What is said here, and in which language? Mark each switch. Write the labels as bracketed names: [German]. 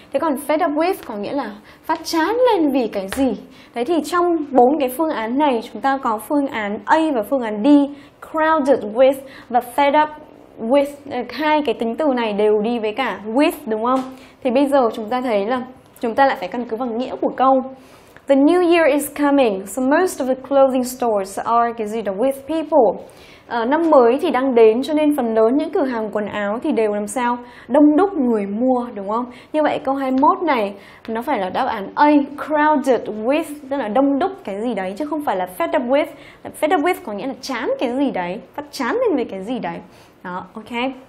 [Vietnamese] Thế còn fed up with có nghĩa là phát chán lên vì cái gì. Đấy thì trong bốn cái phương án này chúng ta có phương án A và phương án D. Crowded with và fed up with. Hai cái tính từ này đều đi với cả with đúng không? Thì bây giờ chúng ta thấy là chúng ta lại phải căn cứ vào nghĩa của câu. [English] The new year is coming, so most of the clothing stores are [Vietnamese] cái gì đó [English] with people. [Vietnamese] Năm mới thì đang đến cho nên phần lớn những cửa hàng quần áo thì đều làm sao? Đông đúc người mua, đúng không? Như vậy câu 21 này nó phải là đáp án A. Crowded with, tức là đông đúc cái gì đấy chứ không phải là fed up with. Fed up with có nghĩa là chán cái gì đấy, phát chán lên về cái gì đấy. Đó, ok.